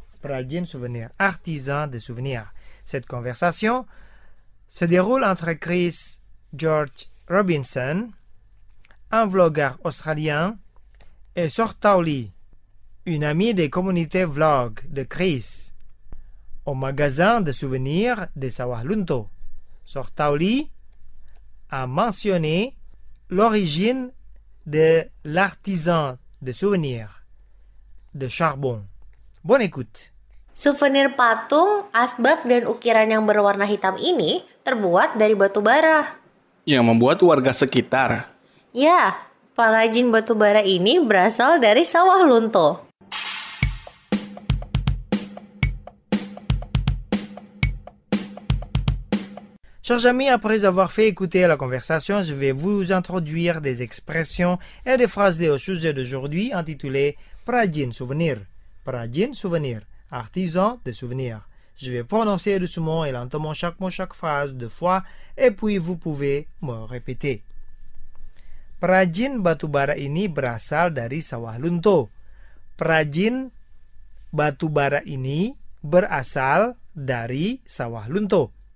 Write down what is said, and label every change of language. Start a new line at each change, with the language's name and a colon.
French: Prajin Souvenir, artisan de souvenirs. Cette conversation se déroule entre Chris George Robinson, un vlogueur australien, et Sor Tauli, une amie des communautés vlog de Chris, au magasin de souvenirs de Sawahlunto. Sor Tauli a mentionné l'origine de l'artisan de souvenirs de charbon. Bonne écoute.
Indonesian: Souvenir patung, asbak dan ukiran yang berwarna hitam ini terbuat dari batu bara. Yang membuat warga sekitar. Ya, pengrajin batu bara ini berasal dari Sawahlunto.
French: Chers amis, après avoir fait écouter la conversation, je vais vous introduire des expressions et des phrases liées au sujet d'aujourd'hui intitulé Prajin Souvenir. Prajin Souvenir, artisan de souvenirs. Je vais prononcer doucement et lentement chaque mot, chaque phrase deux fois et puis vous pouvez me répéter.
Indonesian: Prajin batubara ini berasal dari Sawahlunto. Prajin batubara ini berasal dari Sawahlunto.